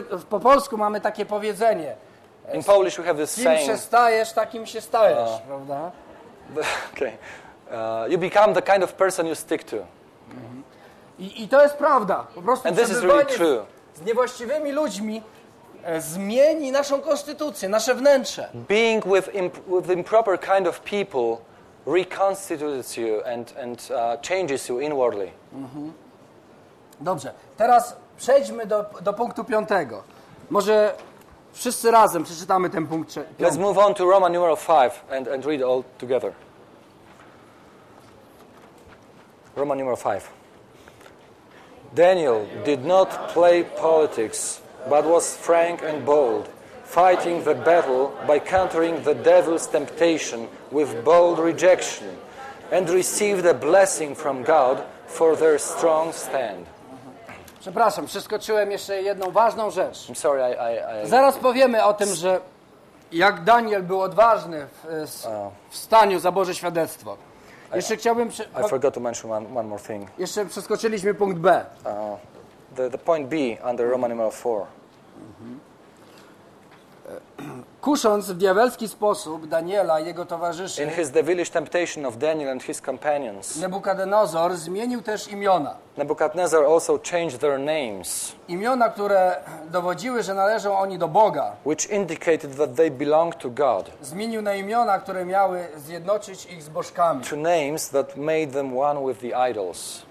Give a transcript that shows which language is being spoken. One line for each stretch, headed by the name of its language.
Polish: Po polsku mamy takie powiedzenie.
English: In Polish we have this saying.
Polish: Kim się stajesz, takim się stajesz, prawda?
English: Okay. You become the kind of person you stick to.
Polish: I to jest prawda. Po prostu przebywanie z niewłaściwymi ludźmi zmieni naszą konstytucję, nasze wnętrze.
English: Being with improper kind of people reconstitutes you and changes you inwardly.
Polish: Dobrze. Teraz przejdźmy do punktu piątego. Może wszyscy razem przeczytamy ten punkt piąty.
English: Let's move on to Roman numeral 5 and read all together. Roman numeral 5. Daniel did not play politics, but was frank and bold, fighting the battle by countering the devil's temptation with bold rejection, and received a blessing from God for their strong stand.
Polish: Przepraszam, przeskoczyłem jeszcze jedną ważną rzecz.
English: I'm sorry, I
Polish: zaraz powiemy o tym, że jak Daniel był odważny w staniu za Boże świadectwo. Jeszcze chciałbym...
English: I forgot to mention one more thing.
Polish: Jeszcze przeskoczyliśmy punkt B.
English: The point B under Roman number 4.
Polish: Kusząc w diabelski sposób Daniela i jego towarzyszy,
English: in his devilish temptation of Daniel and his companions,
Polish: Nebukadnezar zmienił też imiona.
English: Nebuchadnezzar also changed their names.
Polish: Imiona, które dowodziły, że należą oni do Boga,
English: which indicated that they belong to God,
Polish: zmienił na imiona, które miały zjednoczyć ich z bożkami.
English: To names that made them one with the idols.